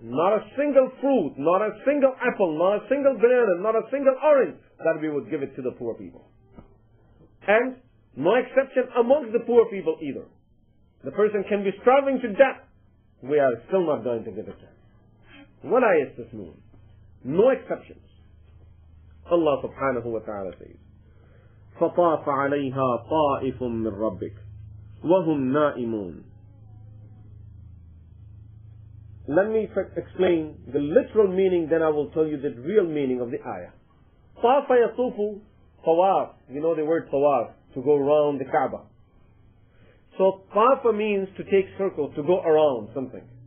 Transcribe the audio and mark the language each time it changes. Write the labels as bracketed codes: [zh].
[en] Not a single fruit, not a single apple, not a single banana, not a single orange, that we would give it to the poor people. And no exception amongst the poor people either. The person can be starving to death. We are still not going to give a chance. What is this mean? No exceptions. Allah subhanahu wa ta'ala says, [ar] فَطَافَ عَلَيْهَا طَائِفٌ مِّن رَبِّكَ وَهُمْ نَائِمُونَ. [en] Let me explain the literal meaning, then I will tell you the real meaning of the ayah. [ar] طَافَ يَطُوفُ. [en] Tawaf, you know the word tawaf, to go around the Kaaba. So tawafa means to take circles, to go around something.